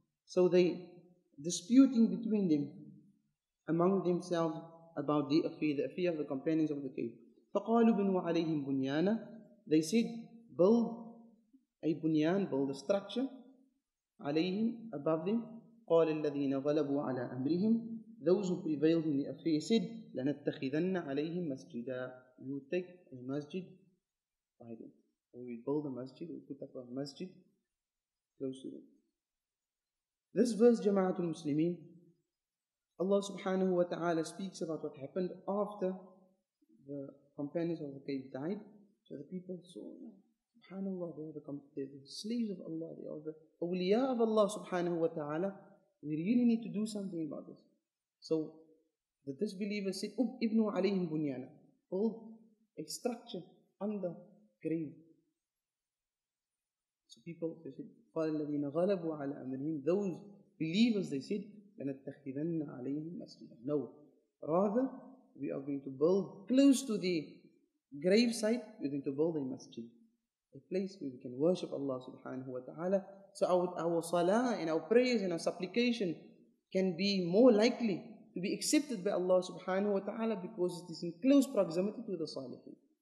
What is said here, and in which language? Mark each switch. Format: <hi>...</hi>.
<en>So they disputing between them, among themselves, about the affair, of the companions of the cave.</en> <ar>فَقَالُوا بِنُوا عَلَيْهِمْ بُنْيَانَ.</ar> <en>They said, build a bunyan, build a structure,</en> <ar>عليهم,</ar> <en>above them.</en> <ar>قال الذين غلبوا على أمرهم.</ar> <en>Those who prevailed in the affair said,</en> <ar>لنتخذن عليهم مسجدا.</ar> <en>We will take a masjid by them. We will build a masjid, we will put up a masjid close to them. This verse,</en> <ar>جماعة المسلمين,</ar> <en>Allah subhanahu wa ta'ala speaks about what happened after the companions of the cave died. So the people saw, subhanAllah, they are the slaves of Allah, they are the awliya of Allah subhanahu wa ta'ala. We really need to do something about this. So the disbelievers said,</en> <ar>ibnu alayhim bunyana,</ar> <en>build a structure under grave. So people, they said,</en> <ar>قال الذين غلبوا على أمرهم.</ar> <en>Those believers, they said,</en> <ar>لنتخذن عليهم مسجدا.</ar> <en>No, rather, we are going to build close to the gravesite, we're going to build a masjid, a place where we can worship Allah subhanahu wa ta'ala, so our salah and our prayers and our supplication can be more likely to be accepted by Allah subhanahu wa ta'ala, because it is in close proximity to the salihin.</en>